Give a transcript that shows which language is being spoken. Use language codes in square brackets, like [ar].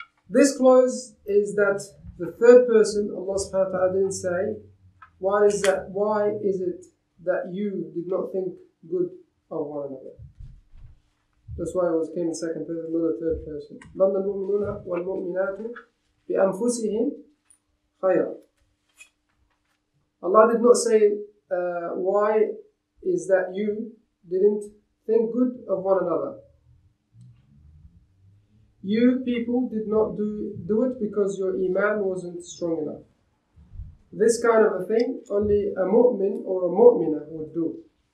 [en] This clause is that the third person, Allah subhanahu wa ta'ala didn't say, why is it that you did not think good of one another? That's why it was came in second person, not the third person. [ar] ظن المؤمنون والمؤمنات بأنفسهم خيرا. [en] Allah did not say why is that you didn't think good of one another? You people did not do it because your iman wasn't strong enough. This kind of a thing only a mu'min or a mu'mina would do.